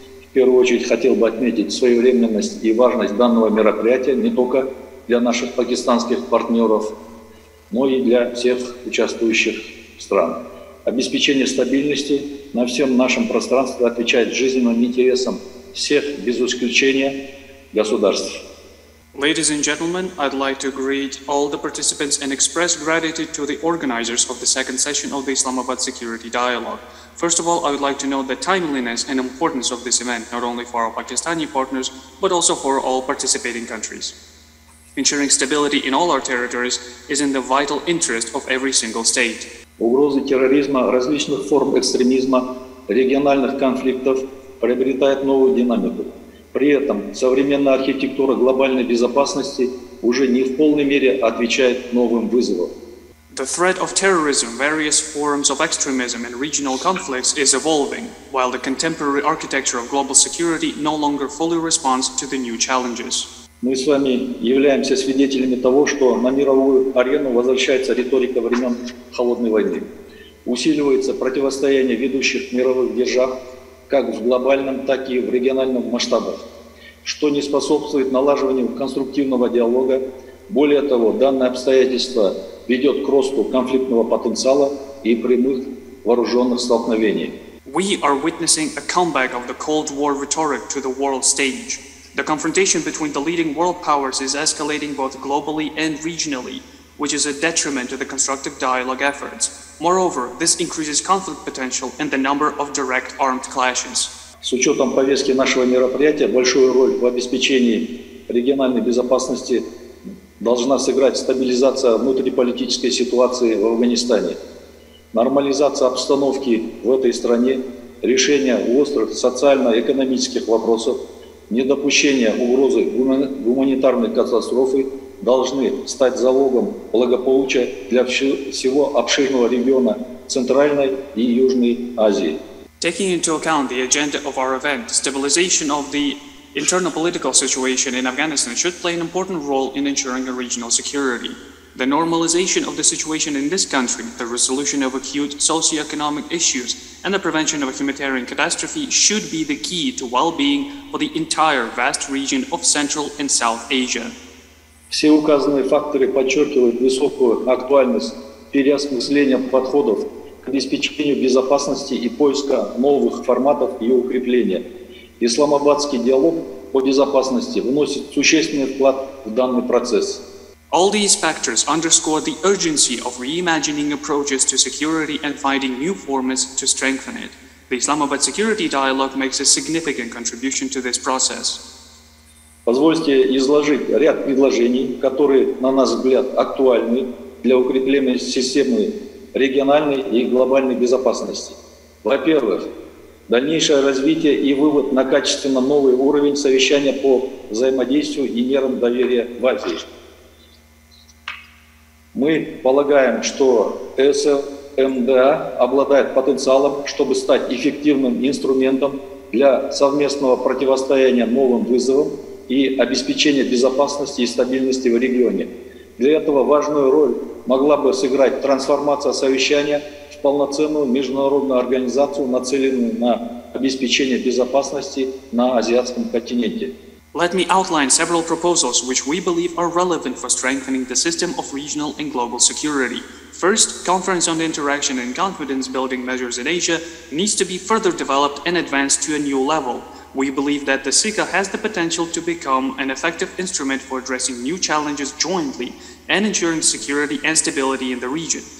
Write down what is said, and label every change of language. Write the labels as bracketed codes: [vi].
[ru] В первую очередь хотел бы отметить своевременность и важность данного мероприятия не только для наших пакистанских партнеров, но и для всех участвующих стран. Обеспечение стабильности на всем нашем пространстве отвечает жизненным интересам всех, без исключения, государств. [en] Ladies and gentlemen, I'd like to greet all the participants and express gratitude to the organizers of the second session of the Islamabad Security Dialogue. First of all, I would like to note the timeliness and importance of this event, not only for our Pakistani partners, but also for all participating countries. Ensuring stability in all our territories is in the vital interest of every single state. [ru] Угрозы терроризма, различных форм экстремизма, региональных конфликтов приобретают новую динамику. При этом современная архитектура глобальной безопасности уже не в полной мере отвечает новым вызовам. [en] The threat of terrorism, various forms of extremism and regional conflicts is evolving, while the contemporary architecture of global security no longer fully responds to the new challenges. [ru] Мы с вами являемся свидетелями того, что на мировую арену возвращается риторика времен Холодной войны. Усиливается противостояние ведущих мировых держав, как в глобальном, так и в региональном масштабах, что не способствует налаживанию конструктивного диалога. Более того, данное обстоятельство ведет к росту конфликтного потенциала и прямых вооруженных столкновений. [en] We are witnessing a comeback of the Cold War rhetoric to the world stage. The confrontation between the leading world powers is escalating both globally and regionally, which is a detriment to the constructive dialogue efforts. Moreover, this increases conflict potential and the number of direct armed clashes. [ru] С учетом повестки нашего мероприятия, большую роль в обеспечении региональной безопасности должна сыграть стабилизация внутриполитической ситуации в Афганистане, нормализация обстановки в этой стране, решение острых социально-экономических вопросов, недопущение угрозы гуманитарной катастрофы должны стать залогом благополучия для всего обширного региона Центральной и Южной Азии. [en] Taking into account the agenda of our event, stabilization of the internal political situation in Afghanistan should play an important role in ensuring a regional security. The normalization of the situation in this country, the resolution of acute socio-economic issues, and the prevention of a humanitarian catastrophe should be the key to well-being for the entire vast region of Central and South Asia. [ru] Все указанные факторы подчеркивают высокую актуальность переосмысления подходов к обеспечению безопасности и поиска новых форматов ее укрепления. Исламабадский диалог по безопасности вносит существенный вклад в данный процесс. [en] All these factors underscore the urgency of reimagining approaches to security and finding new formats to strengthen it. The Islamabad Security Dialogue makes a significant contribution to this process. [ru] Позвольте изложить ряд предложений, которые, на наш взгляд, актуальны для укрепления системы региональной и глобальной безопасности. Во-первых, дальнейшее развитие и вывод на качественно новый уровень совещания по взаимодействию и мерам доверия в Азии. Мы полагаем, что СМДА обладает потенциалом, чтобы стать эффективным инструментом для совместного противостояния новым вызовам и обеспечения безопасности и стабильности в регионе. Для этого важную роль могла бы сыграть трансформация совещания в полноценную международную организацию, нацеленную на обеспечение безопасности на азиатском континенте. [en] Let me outline several proposals which we believe are relevant for strengthening the system of regional and global security. First, Conference on Interaction and Confidence Building Measures in Asia needs to be further developed and advanced to a new level. We believe that the SICA has the potential to become an effective instrument for addressing new challenges jointly and ensuring security and stability in the region.